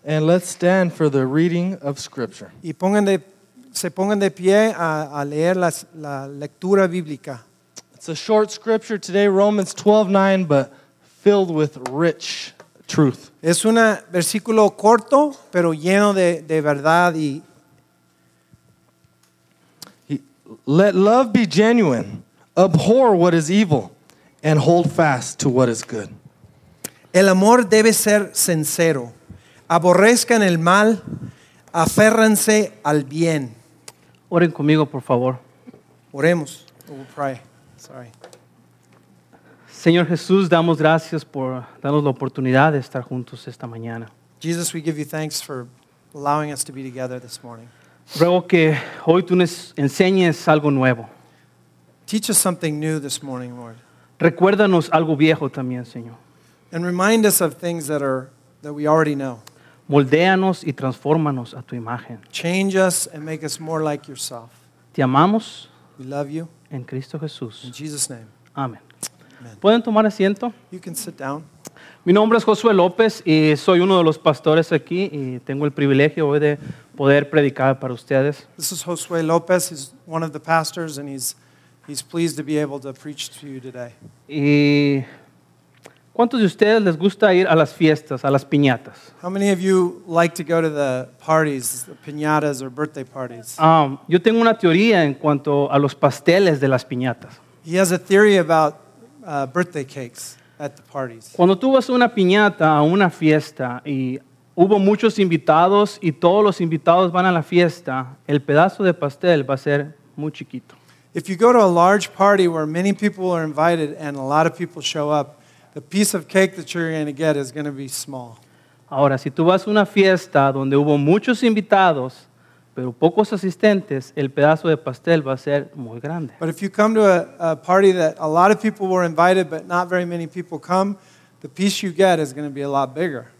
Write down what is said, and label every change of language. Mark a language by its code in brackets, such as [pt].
[en] And let's stand for the reading of Scripture. [es] Y se pongan de pie a leer la lectura bíblica. [en] It's a short scripture today, Romans 12:9, but filled with rich truth. [es] Es un versículo corto, pero lleno de verdad y. [en] Let love be genuine. Abhor what is evil, and hold fast to what is good. [es] El amor debe ser sincero. Aborrezcan el mal, aférranse al bien. Oren conmigo, por favor. Oremos. [en] We'll pray. Sorry. [es] Señor Jesús, damos gracias por darnos la oportunidad de estar juntos esta mañana. [en] Jesus, we give you thanks for allowing us to be together this morning. [es] Ruego que hoy tú nos enseñes algo nuevo. [en] Teach us something new this morning, Lord. [es] Recuérdanos algo viejo también, Señor. [en] And remind us of things that we already know. [es] Moldéanos y transfórmanos a tu imagen. [en] Change us and make us more like yourself. [es] Te amamos. [en] We love you. [es] En Cristo Jesús. [en] In Jesus' name. [es] Amén. ¿Pueden tomar asiento? [en] You can sit down. [es] Mi nombre es Josué López y soy uno de los pastores aquí y tengo el privilegio hoy de poder predicar para ustedes. [en] This is Josué López. He's one of the pastors and he's pleased to be able to preach to you today. [es] ¿Y cuántos de ustedes les gusta ir a las fiestas, a las piñatas? [en] How many of you like to go to the parties, the piñatas or birthday parties? [es] Yo tengo una teoría en cuanto a los pasteles de las piñatas. [en] He has a theory about birthday cakes. At the parties. [es] Cuando tú vas a una piñata, a una fiesta, y hubo muchos invitados, y todos los invitados van a la fiesta, el pedazo de pastel va a ser muy chiquito. [en] If you go to a large party where many people are invited and a lot of people show up, the piece of cake that you're going to get is going to be small. [es] Ahora, si tú vas a una fiesta donde hubo muchos invitados, pero pocos asistentes, el pedazo de pastel va a ser muy grande. [en] But if you come to a party that a lot of people were invited, but not very many people come, the piece you get is going to be a lot bigger.